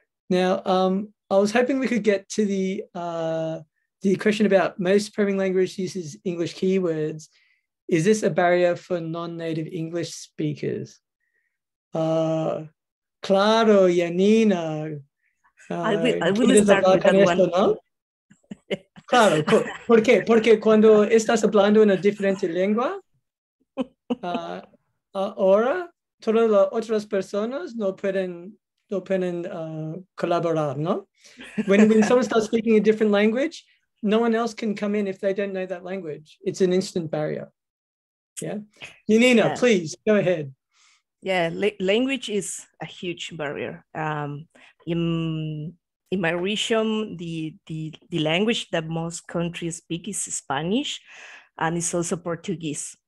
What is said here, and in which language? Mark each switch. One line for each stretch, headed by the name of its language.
English: Now, I was hoping we could get to the question about most programming language uses English keywords. Is this a barrier for non-native English speakers?
Spanish: Claro, Janina.
English: I will start with that esto, one. No?
Spanish: Claro, ¿por qué? Porque cuando estás hablando en una diferente lengua, ahora todas las otras personas no pueden colaborar, ¿no?
English: When someone starts speaking a different language, no one else can come in if they don't know that language. It's an instant barrier. Yeah. Janina, yeah. Please go ahead. Yeah, language is a huge barrier. In my region, the language that most countries speak is Spanish, and it's also Portuguese.